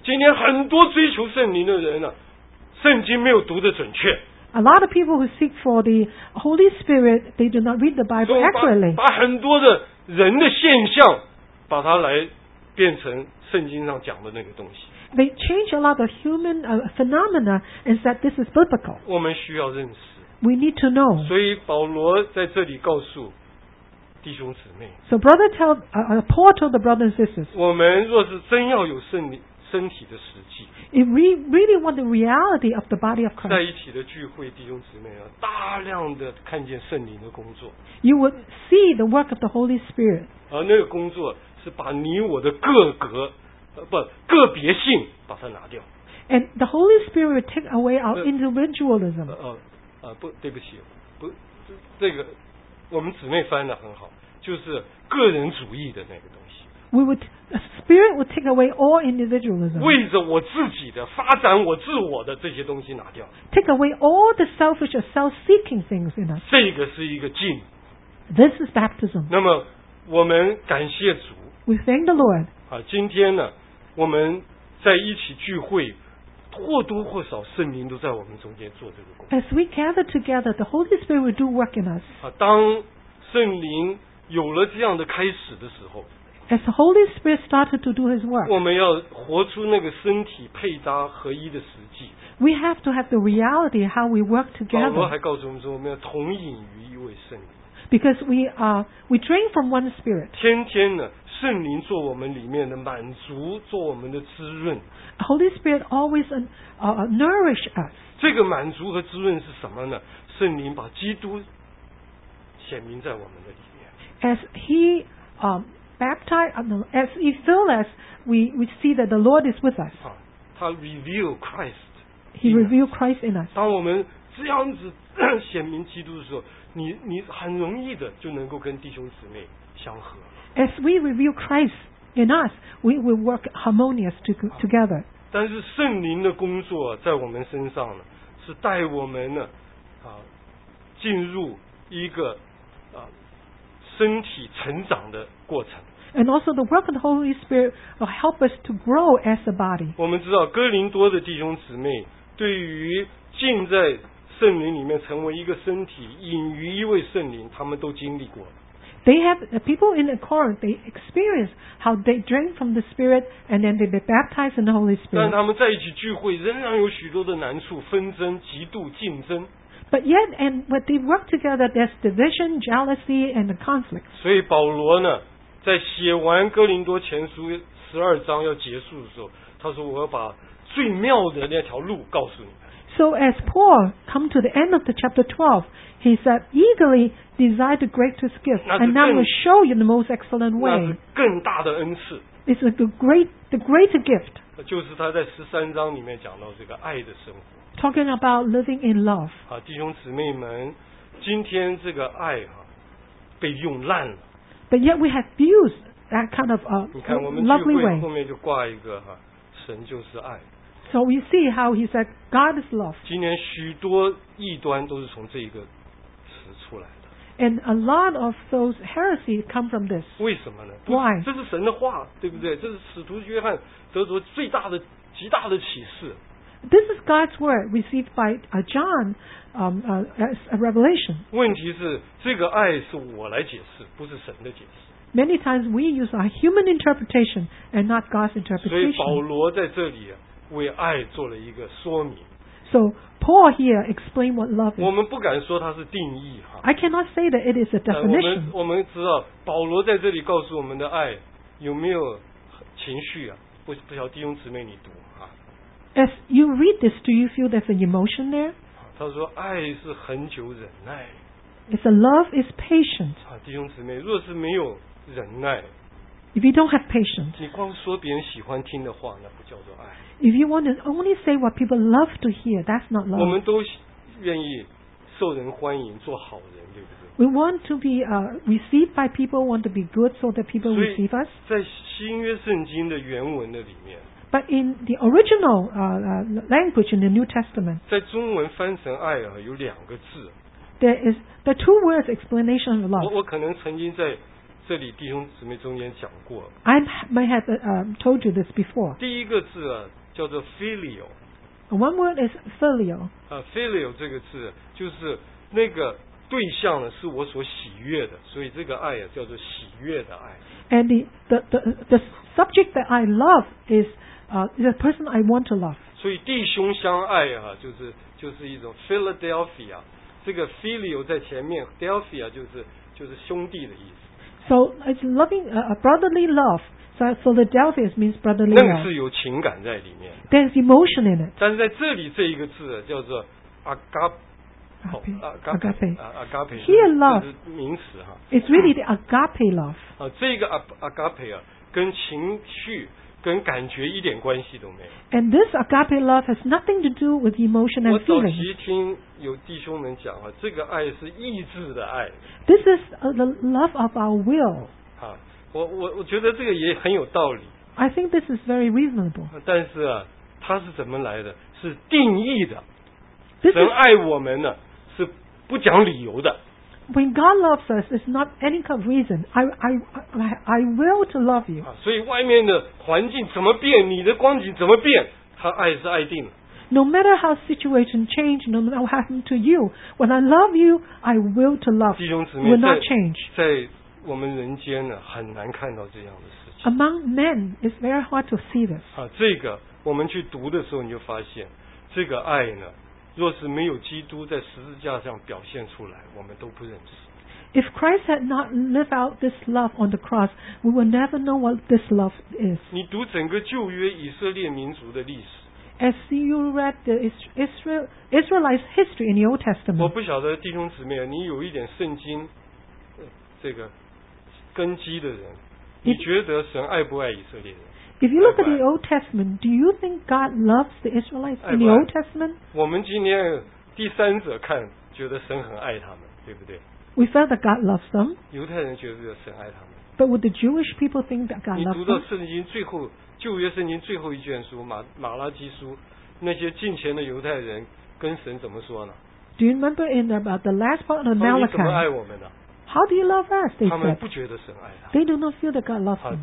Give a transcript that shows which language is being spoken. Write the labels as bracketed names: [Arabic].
[Chinese] 今天很多追求圣灵的人呢、啊，圣经没有读得准确。 [English] A lot of people who seek for the Holy Spirit, they do not read the Bible accurately. [Chinese] 把很多的人的现象，把它来变成圣经上讲的那个东西。 [English] They change a lot of human phenomena and said this is biblical. [Chinese] 我们需要认识。 [English] We need to know. [Chinese] 所以保罗在这里告诉弟兄姊妹。 [English] So brother tells, Paul told the brothers and sisters. [Chinese] 我们若是真要有圣灵。身体的实际 [English] If we really want the reality of the body of Christ, [Chinese] 在一起的聚会，弟兄姊妹啊，大量的看见圣灵的工作。 [English] You would see the work of the Holy Spirit. [Chinese] 而那个工作是把你我的个格，不个别性把它拿掉。 [English] And the Holy Spirit would take away our individualism. [Chinese] 不，对不起，不，这个我们姊妹翻得很好，就是个人主义的那个东西。 [English] We would, the Spirit would take away all individualism. [Chinese] 为着我自己的发展，我自我的这些东西拿掉。 [English] Take away all the selfish, self-seeking things in us. [Chinese] 这个是一个浸。 [English] This is baptism. [Chinese] 那么我们感谢主。 [English] We thank the Lord. [Chinese] 啊，今天呢，我们在一起聚会，或多或少圣灵都在我们中间做这个工作。 [English] As we gather together, the Holy Spirit will do work in us. [Chinese] 啊，当圣灵有了这样的开始的时候。 [English] As the Holy Spirit started to do His work, [Chinese] 我们要活出那个身体配搭合一的实际。 [English] We have to have the reality how we work together. [Chinese] 保罗还告诉我们说，我们要同饮于一位圣灵。 [English] Because we drink from one Spirit. [Chinese] 天天呢，圣灵做我们里面的满足，做我们的滋润。 [English] The Holy Spirit always nourish us. [Chinese] 这个满足和滋润是什么呢？圣灵把基督显明在我们的里面。 [English] As He baptized, as He filled us, we see that the Lord is with us. [Chinese] 啊、他 [English] revealed Christ. He revealed Christ in us. [Chinese] 当我们这样子显明基督的时候，你很容易的就能够跟弟兄姊妹相合。 [English] As we reveal Christ in us, we will work harmonious together.、 [Chinese] 啊、但是圣灵的工作在我们身上呢，是带我们呢啊进入一个啊。身体成长的过程。 [English] And also the work of the Holy Spirit will help us to grow as a body. [Chinese] 我们知道哥林多的弟兄姊妹对于浸在圣灵里面成为一个身体，隐于一位圣灵，他们都经历过。 [English] They have the people in the Corinth. They experience how they drink from the Spirit and then they be baptized in the Holy Spirit. [Chinese] 但他们在一起聚会仍然有许多的难处，纷争、嫉妒、竞争。 [English] But yet, and when they work together, there's division, jealousy, and conflict. [Chinese] 所以保罗呢，在写完哥林多前书十二章要结束的时候，他说：“我要把最妙的那条路告诉你们。” [English] So as Paul come to the end of the chapter 12, he said, "Eagerly desire the greatest gift, and now I will show you the most excellent way." [Chinese] 那是更大的恩赐。 [English] It's the greater gift. [Chinese] 就是他在十三章里面讲到这个爱的生活。 [English] Talking about living in love. [Chinese] 啊，弟兄姊妹们，今天这个爱啊，被用烂了。 [English] But yet we have used that kind of a lovely way. [Chinese] 你看我们聚会后面就挂一个哈、啊，神就是爱。 [English] So we see how he said God is love. [Chinese] 今天许多异端都是从这个词出来的。 [English] And a lot of those heresy come from this. [Chinese] 为什么呢 [English] ？Why? [Chinese] 这是神的话，对不对？这是使徒约翰得着最大的、极大的启示。 [English] This is God's word received by John as a revelation. [Chinese] 问题是这个爱是我来解释，不是神的解释。 [English] Many times we use our human interpretation and not God's interpretation. [Chinese] 所以保罗在这里、啊、为爱做了一个说明。 [English] So Paul here explained what love is. [Chinese] 我们不敢说它是定义哈。 [English] I cannot say that it is a definition. [Chinese] 我们知道保罗在这里告诉我们的爱有没有情绪啊？不晓得弟兄姊妹你读。 [English] As you read this, do you feel there's an emotion there? [Chinese] 他说爱是恒久忍耐。 [English] If the love is patient. [Chinese] 啊，弟兄姊妹，若是没有忍耐。 [English] If you don't have patience. [Chinese] 你光说别人喜欢听的话，那不叫做爱。 [English] If you want to only say what people love to hear, that's not love. [Chinese] 我们都愿意受人欢迎，做好人，对不对？ [English] We want to be received by people, want to be good so that people receive us. [Chinese] 在新约圣经的原文的里面， [English] But in the original language in the New Testament, [Chinese] 在中文翻成爱啊，有两个字。 [English] There are two words explanation of love. [Chinese] 我可能曾经在这里弟兄姊妹中间讲过。 [English] I might have told you this before. [Chinese] 第一个字啊，叫做 filial。 [English] One word is filial. [Chinese] Filial 这个字就是那个对象呢是我所喜悦的，所以这个爱啊叫做喜悦的爱。 [English] And the subject that I love is the person I want to love. [Chinese] 所以弟兄相爱啊，就是一种 Philadelphia。这个 filial 在前面 ，Delphia 就是兄弟的意思。 [English] So it's loving a brotherly love. So Philadelphia means brotherly love. [Chinese] 那是有情感在里面。 [English] There's emotion in it. [Chinese] 但是在这里这一个字叫做 agape. [English] Here love [Chinese] 名词哈。 [English] It's really the agape love. [Chinese] 啊，这个 agape 啊，跟情绪、跟感觉一点关系都没有。 [English] And this agape love has nothing to do with emotion and feeling. [Chinese] 我早期听有弟兄们讲啊，这个爱是意志的爱。 [English] This is the love of our will. [Chinese] 啊，我觉得这个也很有道理。 [English] I think this is very reasonable. [Chinese] 但是啊，它是怎么来的？是定义的。 [English] This is, [Chinese] 神爱我们呢，是不讲理由的。 [English] When God loves us, it's not any kind of reason. I will to love you. [Chinese] 所以外面的环境怎么变，你的光景怎么变，他爱是爱定了。 [English] No matter how situation change, no matter what happened to you, when I love you, I will to love. [Chinese] 弟兄姊妹 [English] will not change. [Chinese] 在我们人间呢，很难看到这样的事情。 [English] Among men, it's very hard to see this. [Chinese] 啊，这个我们去读的时候，你就发现这个爱呢。若是没有基督在十字架上表现出来，我们都不认识。 [English] If Christ had not lived out this love on the cross, we would never know what this love is. [Chinese] 你读整个旧约以色列民族的历史。 [English] As you read the Israelite history in the Old Testament. [Chinese] 我不晓得弟兄姊妹，你有一点圣经这个根基的人，你觉得神爱不爱以色列人？ [English] If you look at the Old Testament, do you think God loves the Israelites in the Old Testament? [Chinese] 我们今天第三者看，觉得神很爱他们，对不对？ [English] We felt that God loves them. [Chinese] 犹太人觉得神爱他们。 [English] But would the Jewish people think that God loves them? [Chinese] 你读到圣经最后旧约圣经最后一卷书马拉基书，那些近前的犹太人跟神怎么说呢？ [English] Do you remember in about the last part of Malachi? [Chinese] 你怎么爱我们呢？ [English] How do you love us? They said. [Chinese] 他们不觉得神爱他。 [English] They do not feel that God loves them.